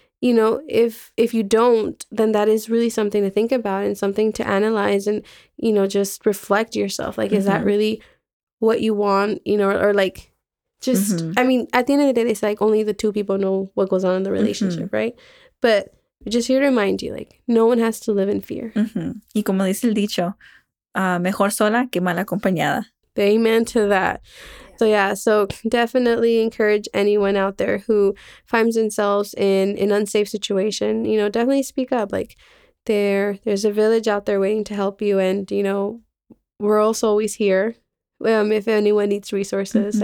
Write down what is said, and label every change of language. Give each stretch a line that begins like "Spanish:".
English: you know, if you don't, then that is really something to think about and something to analyze and, you know, just reflect yourself. Like, mm-hmm. is that really what you want, you know, or like, just, mm-hmm. I mean, at the end of the day, they say like only the two people know what goes on in the relationship, mm-hmm. right? But just here to remind you, like, no one has to live in fear.
Spanish: Mm-hmm. Y como dice el dicho, mejor sola que mal acompañada.
English: Amen to that. So yeah, so definitely encourage anyone out there who finds themselves in an unsafe situation, you know, definitely speak up. Like, there's a village out there waiting to help you. And, you know, we're also always here. If anyone needs resources, mm-hmm.